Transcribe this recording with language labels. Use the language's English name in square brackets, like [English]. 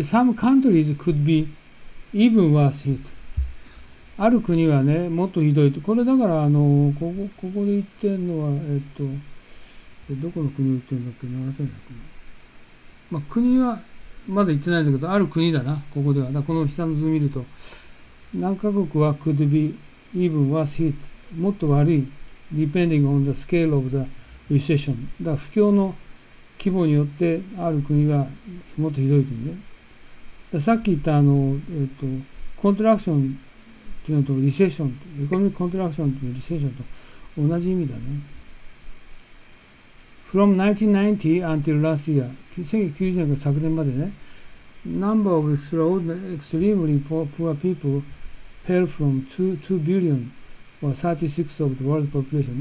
[English] で、some countries could be even worse hit。 [Japanese] ある国はね、もっとひどいと。これだから、ここで言ってんのは、どこの国を言ってるんだっけ、7100。まあ、国は、まだ言ってないんだけど、ある国だな、ここでは。この下の図を見ると、何カ国は [English] could be even worse hit、 [Japanese] もっと悪い、 [English] depending on the scale of the recession。 [Japanese] だから不況の規模によってある国がもっとひどいと思うね。さっき言ったコントラクションっていうのとリセッション、エコノミックコントラクションとリセッションと同じ意味だね。 [English] From 1990 until last year、 [Japanese] 1990年から昨年までね、 [English] Number of extremely poor people fell from 2 billion or 36 of the world population。